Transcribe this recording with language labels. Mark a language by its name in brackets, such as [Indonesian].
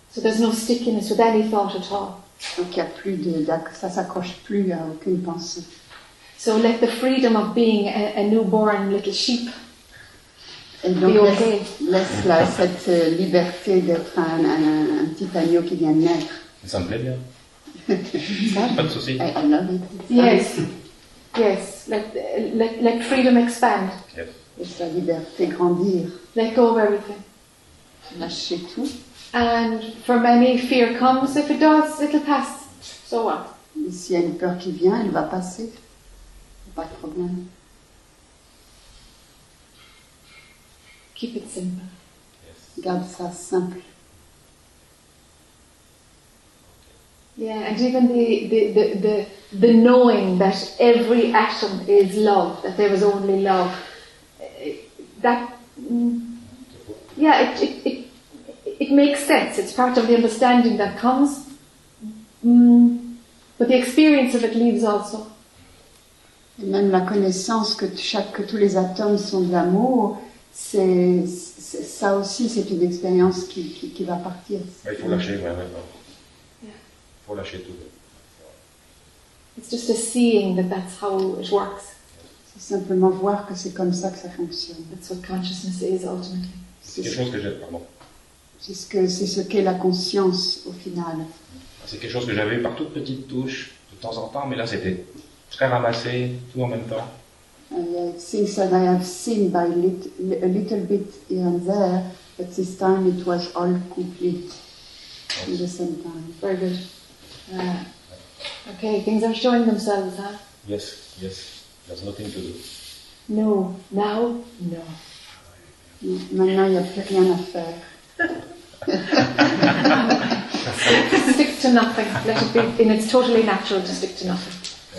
[English] So there's no stickiness with any thought at all. [French] Donc il y a plus ça s'accroche plus à aucune pensée. [English] So let the freedom of being a newborn little sheep. [French] Et donc, laisse là, cette liberté d'être un petit agneau qui vient de naître. Ça me plaît bien. Pas de soucis. [English] I love it. Yes. Yes. Let freedom expand. Yes. [French] Laisse la liberté grandir. [English] Let go of everything. [French] Lâchez tout. [English] And for many, fear comes. If it does, it'll pass. So what? [French] S'il y a une peur qui vient, elle va passer. Pas de problème. [English] Keep it simple. Yes. [French] Garde ça simple. [English] Yeah, and even the knowing that every atom is love, that there is only love, it makes sense. It's part of the understanding that comes, but the experience of it leaves also. [French] Et même la connaissance que tous les atomes sont de l'amour, c'est ça aussi, c'est une expérience qui va partir. Mais il faut lâcher, ouais, maintenant. Pour lâcher tout. [English] It's just a seeing that's how it works. [French] C'est simplement voir que c'est comme ça que ça fonctionne. [English] That's what consciousness is ultimately. [French] C'est ce qu'est la conscience au final. C'est quelque chose que j'avais par toutes petites touches de temps en temps, mais là c'était très ramassé, tout en même temps. [English] Things that I have seen by a little bit here and there, but this time it was all complete at the same time. Very good. Okay, things are showing themselves, huh? Yes, yes. There's nothing to do. No. Now? No. [French] Maintenant, il n'y a plus rien à faire. [English] Stick to nothing. Let it be. And it's totally natural to stick to nothing.